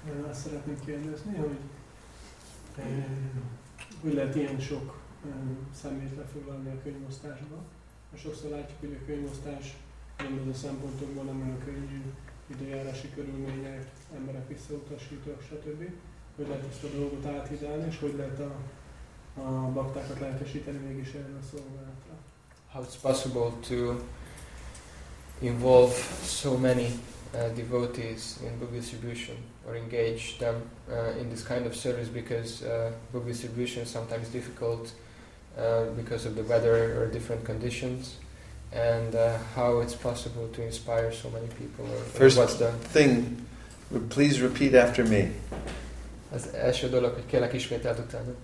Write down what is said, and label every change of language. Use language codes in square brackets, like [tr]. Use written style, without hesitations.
[hu] Azt szeretném kérdezni, hogy hogy lehet ilyen sok szemét lefoglalni a könyvosztásban. Sokszor látjuk, hogy a könyvosztás mindaz a szempontokban nem olyan könnyű, időjárási körülmények, emberek visszautasítók, stb. Hogy lehet ezt a dolgot áthidálni, és hogy lehet a baktákat lelkesíteni mégis erre a szolgálatra. [en] How it's possible to involve so many devotees in book distribution or engage them in this kind of service, because book distribution is sometimes difficult because of the weather or different conditions, and how it's possible to inspire so many people. First, what's the thing, please repeat after me. [hu] Az első dolog, hogy kérlek ismételd utána.